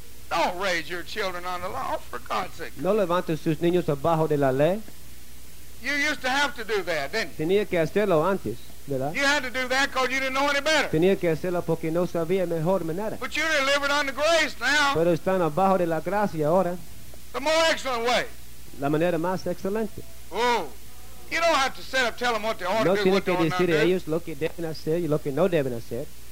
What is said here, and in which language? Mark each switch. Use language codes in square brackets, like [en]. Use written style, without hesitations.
[en] Don't raise your children on the law, for God's sake. [es] No levantes sus niños abajo de la ley. [en] You used to have to do that, didn't you? [es] Tenía que hacerlo antes, ¿verdad? [en] You had to do that because you didn't know any better. [es] Tenía que hacerlo porque no sabía mejor manera. [en] But you're delivered under grace now. [es] Pero están abajo de la gracia ahora. [en] The more excellent way. [es] La manera más excelente. [en] Oh. You don't have to set up, tell them what they ought [es] no [en] to do, what they ought not do. [es] No tiene que decir ellos lo que deben hacer y lo que no deben hacer.